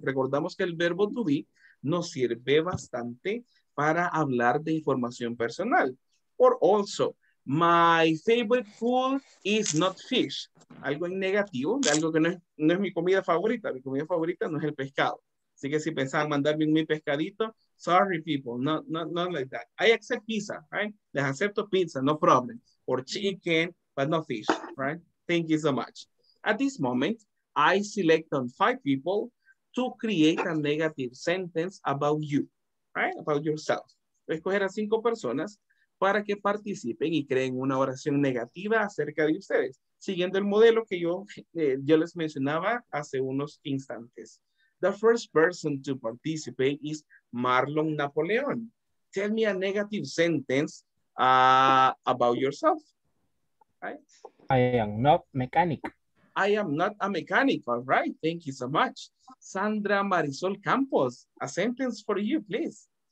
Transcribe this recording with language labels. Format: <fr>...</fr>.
<es>Recordamos que el verbo to be nos sirve bastante para hablar de información personal.</es> <en>Or also, my favorite food is not fish.</en> <es>Algo en negativo, de algo que no es mi comida favorita. Mi comida favorita no es el pescado. Así que si pensaban mandarme mi pescadito,</es> <en>sorry people, not like that. I accept pizza, right?</en> <es>Les acepto pizza,</es> <en>no problem. Or chicken, but not fish, right? Thank you so much. At this moment, I select on 5 people to create a negative sentence about you, right? About yourself.</en> <es>Voy a escoger a 5 personas para que participen y creen una oración negativa acerca de ustedes, siguiendo el modelo que yo les mencionaba hace unos instantes.</es> <en>The first person to participate is Marlon Napoleon. Tell me a negative sentence about yourself. Right? I am not mechanic. I am not a mechanic. All right. Thank you so much. Sandra Marisol Campos, a sentence for you, please.</en>